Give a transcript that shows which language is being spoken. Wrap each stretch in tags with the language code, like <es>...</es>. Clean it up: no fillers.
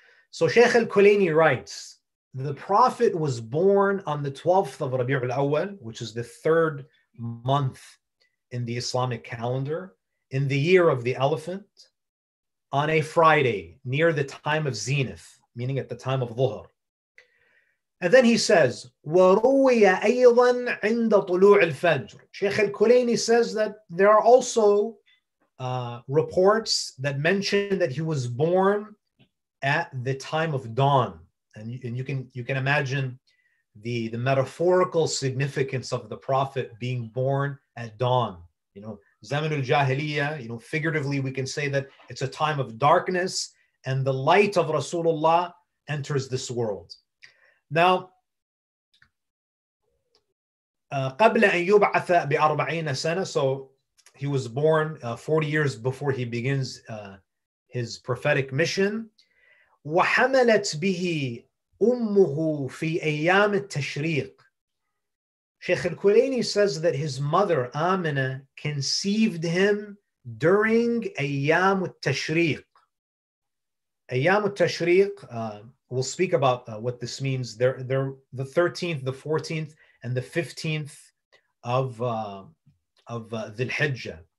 <en>So Sheikh Al-Kulaini writes, the Prophet was born on the 12th of Rabi'ul Awwal, which is the third month in the Islamic calendar, in the year of the elephant, on a Friday, near the time of zenith, meaning at the time of dhuhr. And then he says,</en> <ar>وَرُوِيَ أَيْضًا عِنْدَ طُلُوعِ الْفَجْرِ.</ar> <en>Sheikh Al-Kulaini says that there are also reports that mention that he was born at the time of dawn. And you can imagine the metaphorical significance of the Prophet being born at dawn, you know. Zaman al-Jahiliyyah, you know, figuratively we can say that it's a time of darkness and the light of Rasulullah enters this world. Now,</en> <ar>قَبْلَ أَن يُبْعَثَ بِأَرْبَعِينَ سَنَةً.</ar> <en>So he was born 40 years before he begins his prophetic mission.</en> <ar>وَحَمَلَتْ بِهِ أُمُّهُ فِي أَيَّامِ التَّشْرِيقِ.</ar> <en>Sheikh Al-Kulaini says that his mother, Amina, conceived him during Ayyam al-Tashriq. Ayyam al-Tashriq, we'll speak about what this means. They're the 13th, the 14th, and the 15th of Dhul-Hijjah.</en>